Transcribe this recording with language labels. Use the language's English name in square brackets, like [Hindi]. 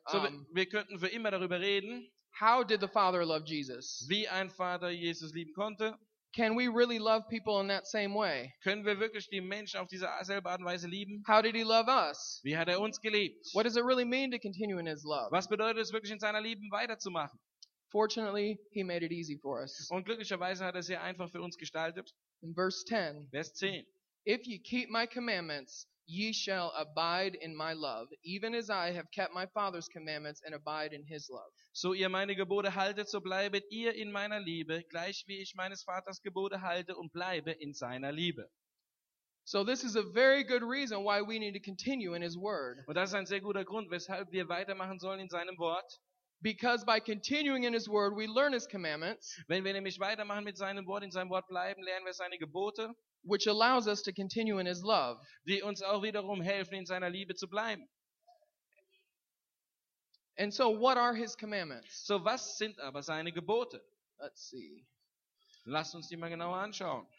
[German] So wir könnten für immer darüber reden. [English] How did the Father love Jesus? [German] Wie ein Vater Jesus lieben konnte? [English] Can we really love people in that same way? [German] Können wir wirklich die Menschen auf diese selbe Art und Weise lieben? [English] How did he love us? [German] Wie hat er uns geliebt? [English] What does it really mean to continue in his love? [German] Was bedeutet es wirklich, in seiner Liebe weiterzumachen? [English] Fortunately, he made it easy for us. [German] Und glücklicherweise hat er es sehr einfach für uns gestaltet. [English] In verse 10. [German] Vers 10. [English] If ye keep my commandments, ye shall abide in my love, even as I have kept my Father's commandments and abide in his love. [German] So ihr meine Gebote haltet, so bleibet ihr in meiner Liebe, gleich wie ich meines Vaters Gebote halte und bleibe in seiner Liebe. [English] So this is a very good reason why we need to continue in his word. [German] Und das ist ein sehr guter Grund, weshalb wir weitermachen sollen in seinem Wort. [English] Because by continuing in his word, we learn his commandments. [German] Wenn wir nämlich weitermachen mit seinem Wort, in seinem Wort bleiben, lernen wir seine Gebote. [English] Which allows us to continue in his love. [German] Die uns auch wiederum helfen, in seiner Liebe zu bleiben. [English] And so, what are his commandments? [German] So, was sind aber seine Gebote? [English] Let's see. [German] Lass uns die mal genauer anschauen.